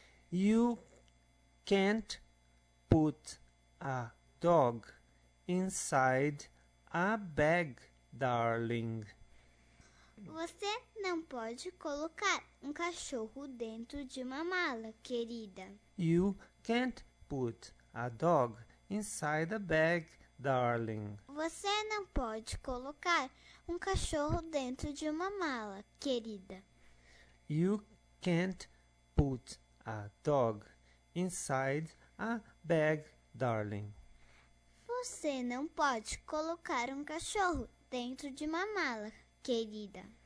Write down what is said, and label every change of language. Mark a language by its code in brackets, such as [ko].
[en] You can't put a dog inside a bag, darling. [pt] Você não pode colocar um cachorro dentro de uma mala, querida. [en] You can't put a dog inside a bag, darling. [pt] Você não pode colocar um cachorro dentro de uma mala, querida. [en] You can't put a dog inside a bag, darling. [pt] Você não pode colocar um cachorro dentro de uma mala, querida.